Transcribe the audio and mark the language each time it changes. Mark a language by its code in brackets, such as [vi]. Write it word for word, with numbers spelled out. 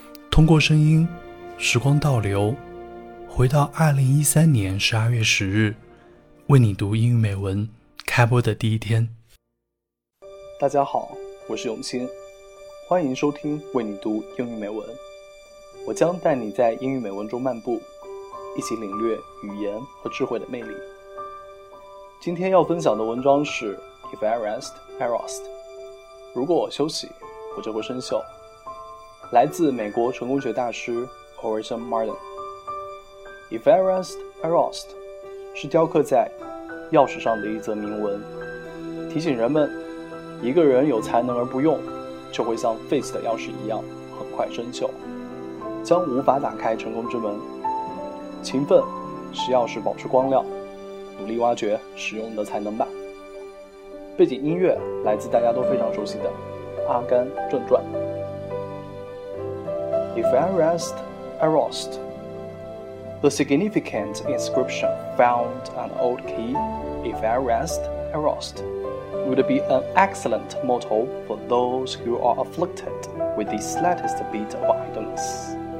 [zh] 通过声音，时光倒流，回到二零一三年十二月十日，为你读英语美文开播的第一天。大家好，我是永清，欢迎收听为你读英语美文。我将带你在英语美文中漫步，一起领略语言和智慧的魅力。今天要分享的文章是 [en] If I rest, I rust。 [zh] 如果我休息，我就会生锈。来自美国成功学大师 Orson Martin。 [en] If I rest, I rust [zh] 是雕刻在钥匙上的一则铭文，提醒人们，一个人有才能而不用，就会像废弃的钥匙一样很快生锈，将无法打开成功之门。勤奋使钥匙保持光亮，努力挖掘使用你的才能吧。背景音乐来自大家都非常熟悉的《阿甘正传》。 [en] If I rest, I rust. The significant inscription found on an old key, If I rest, I rust, would be an excellent motto for those who are afflicted with the slightest bit of idleness.